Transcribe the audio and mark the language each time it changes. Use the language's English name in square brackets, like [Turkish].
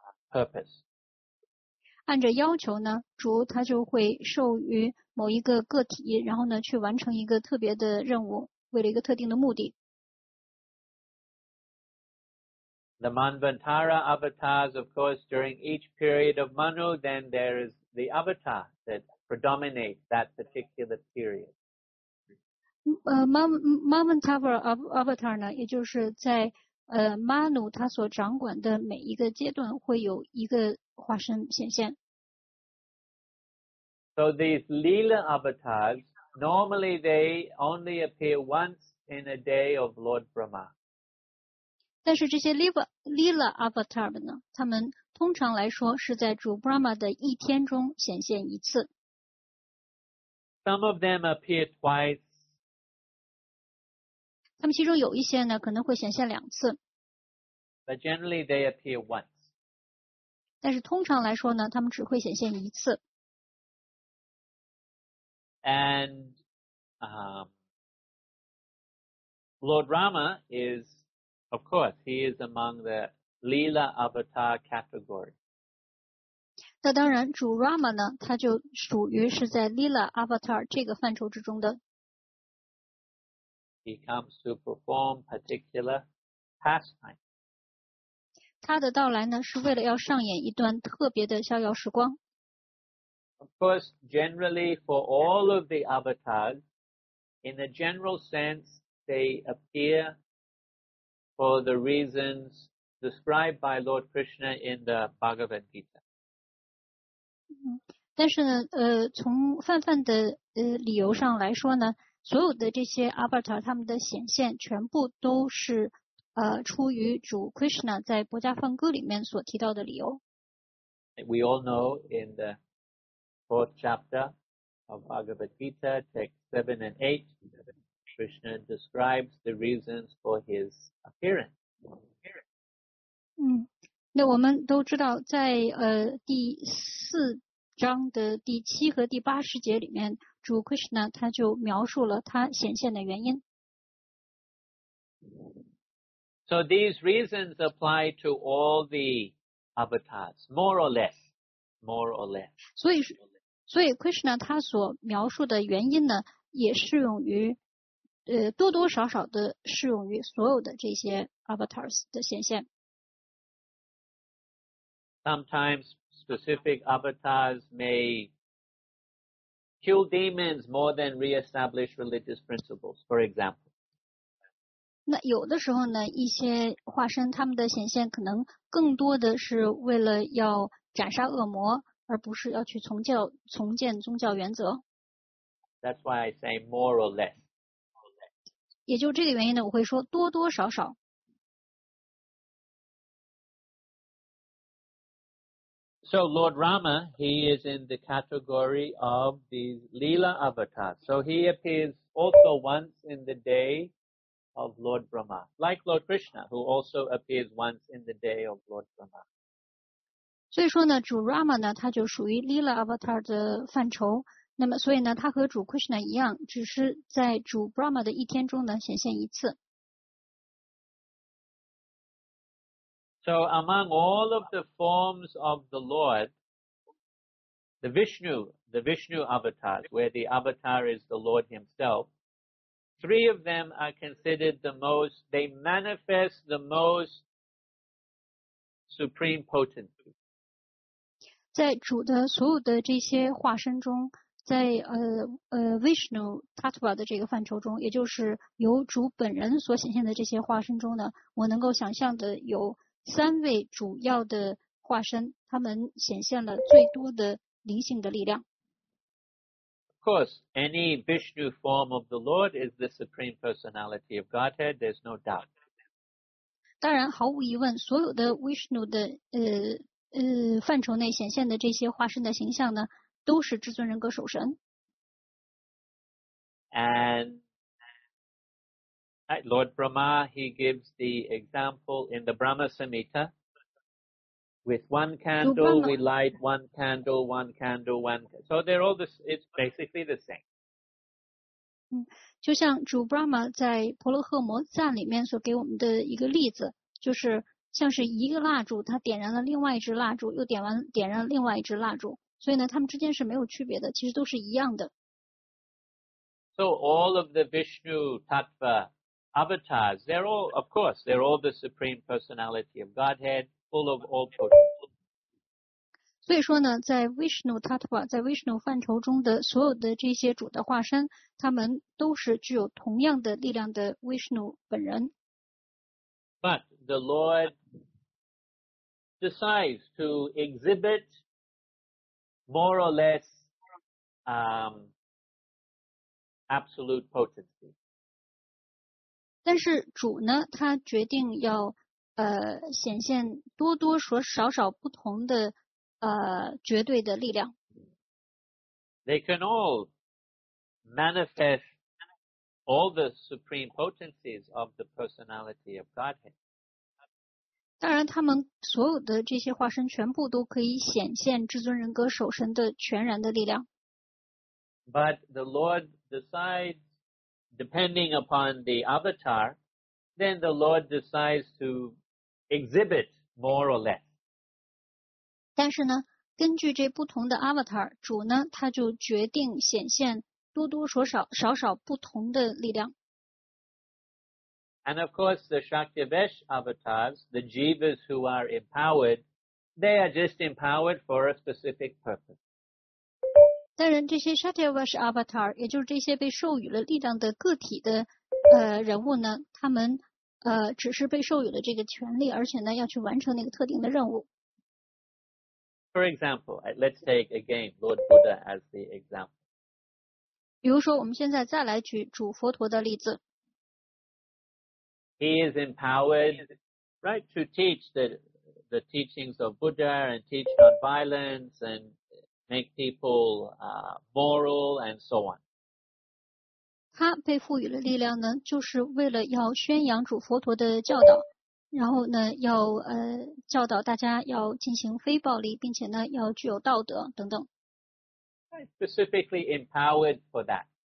[English] Purpose. [Chinese] 按着要求呢，主他就会授予某一个个体，然后呢去完成一个特别的任务，为了一个特定的目的。 [English] The Manvantara avatars, of course, during each period of Manu, then there is the avatar that predominates that particular period. [Chinese] Manvantara avatar 呢，也就是在马努他所掌管的每一个阶段会有一个化身显现。 [English] So these Leela avatars, normally they only appear once in a day of Lord Brahma. [Chinese] 但是这些 Leela avatar 呢，他们通常来说是在主 Brahma 的一天中显现一次。 [English] Some of them appear twice. [Chinese] 他们其中有一些呢，可能会显现两次。 [English] But generally they appear once. [Chinese] 但是通常来说呢，他们只会显现一次。 [English] And Lord Rama is, of course, he is among the Leela Avatar category. [Chinese] 那当然，主 Rama 呢，他就属于是在 Leela Avatar 这个范畴之中的。 [English] He comes to perform particular pastime. [Chinese] 他的到来呢，是为了要上演一段特别的逍遥时光。 [English] Of course, generally for all of the avatars, in a general sense, they appear for the reasons described by Lord Krishna in the Bhagavad Gita. [Chinese] 但是呢，从泛泛的理由上来说呢。所有的这些 avatar 他们的显现全部都是出于主 Krishna 在《博迦梵歌》里面所提到的理由。 [English] We all know in the fourth chapter of Bhagavad Gita, text 7 and 8, Krishna describes the reasons for his appearance. [Chinese] 那我们都知道在第四章的第七和第八十节里面主 Krishna 他就描述了他显现的原因。 [English] So these reasons apply to all the avatars, more or less, more or less. [Chinese] 所以 Krishna 他所描述的原因呢，也适用于多多少少的适用于所有的这些 avatars 的显现。 [English] Sometimes specific avatars may kill demons more than reestablish religious principles, for example. [Chinese] 那有的时候呢，一些化身他们的显现可能更多的是为了要斩杀恶魔，而不是要去重建宗教原则。 [English] That's why I say more or less. [Chinese] 也就这个原因呢，我会说多多少少。 [English] So Lord Rama, he is in the category of the Leela avatars. So he appears also once in the day of Lord Brahma, like Lord Krishna, who also appears once in the day of Lord Brahma. [Chinese] 所以说呢，主 Rama 呢，他就属于 Leela avatar 的范畴。那么所以呢他和主 Krishna 一样只是在主 Brahma 的一天中呢显现一次。 [English] So among all of the forms of the Lord, the Vishnu avatars, where the avatar is the Lord himself, three of them are considered the most, they manifest the most supreme potency. [Chinese] 在主的所有的这些化身中，在Vishnu Tattva 的这个范畴中，也就是由主本人所显现的这些化身中呢，我能够想象的有三位主要的化身，他们显现了最多的灵性的力量。 [English] Of course, any Vishnu form of the Lord is the supreme personality of Godhead. There's no doubt. [Chinese] 当然，毫无疑问，所有的 Vishnu 的范畴内显现的这些化身的形象呢，都是至尊人格首神。 [English] And Lord Brahma, he gives the example in the Brahma Samhita. With one candle, we light one candle, one candle, one. So they're all this, it's basically the same. [Chinese] 嗯，就像主 Brahma 在《婆罗诃摩赞》里面所给我们的一个例子，就是像是一个蜡烛，它点燃了另外一支蜡烛，又点燃了另外一支蜡烛，所以呢，它们之间是没有区别的，其实都是一样的。 [English] So all of the Vishnu Tattva avatars, they're all, of course, they're all the supreme personality of Godhead, full of all potency. [Chinese] 所以说呢，在 Vishnu Tattva, 在 Vishnu 范畴中的所有的这些主的化身，他们都是具有同样的力量的 Vishnu 本人。 [English] But the Lord decides to exhibit more or less absolute potency. [Chinese] 但是主呢，他决定要显现多多所少少不同的绝对的力量。 [English] They can all manifest all the supreme potencies of the personality of Godhead. [Chinese] 当然，他们所有的这些化身全部都可以显现至尊人格首神的全然的力量。 [English] But the Lord decides, depending upon the avatar, then the Lord decides to exhibit more or less. [Chinese] 但是呢，根据这不同的 avatar, 主呢，他就决定显现多多少少、少少不同的力量。 [English] And of course, the Shaktivesh avatars, the jivas who are empowered, they are just empowered for a specific purpose. [Chinese] 当然，这些 Shaktivesh avatar, 也就是这些被授予了力量的个体的人物呢，他们只是被授予了这个权利，而且呢，要去完成那个特定的任务。 [English] For example, let's take again Lord Buddha as the example. [Chinese] 比如说，我们现在再来举主佛陀的例子。 [English] He is empowered, right, to teach the teachings of Buddha and teach non-violence and make people moral and so on. [Chinese] 他被赋予了力量呢，就是为了要宣扬主佛陀的教导，然后呢，要教导大家要进行非暴力，并且呢，要具有道德等等。 [English] Specifically empowered for that.